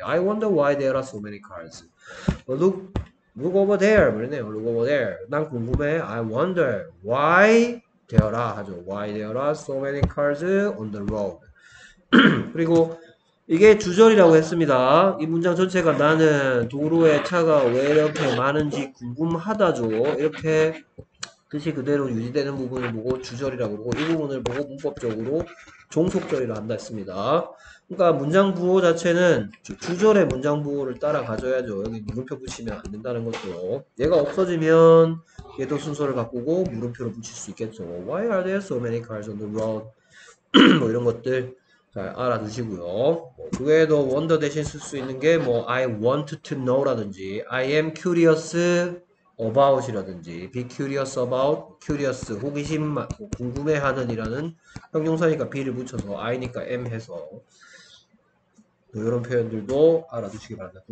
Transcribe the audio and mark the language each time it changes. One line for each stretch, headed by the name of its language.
English: I wonder why there are so many cars. Look over there
Korean: 그러네요.
English: Look over there.
Korean: 난 궁금해.
English: I wonder why there are 하죠. Why there are so many cars on the road.
Korean: 그리고 이게 주절이라고 했습니다. 이 문장 전체가 나는 도로에 차가 왜 이렇게 많은지 궁금하다죠. 이렇게 뜻이 그대로 유지되는 부분을 보고 주절이라고 그러고 이 부분을 보고 문법적으로 종속절이라 한다 했습니다. 그러니까 문장 부호 자체는 주절의 문장 부호를 따라 가져야죠. 여기 물음표 붙이면 안 된다는 것도. 얘가 없어지면 얘도 순서를 바꾸고 물음표를 붙일 수 있겠죠.
English: Why are there so many cars on the road?
Korean: 뭐 이런 것들 잘 알아두시고요. 그 외에도 wonder 대신 쓸수 있는 게뭐
English: I want to know
Korean: 라든지
English: I am curious about
Korean: 이라든지 be curious about, curious 호기심 궁금해하는이라는 형용사니까 be를 붙여서 I니까 am 해서 이런 표현들도 알아두시기 바랍니다.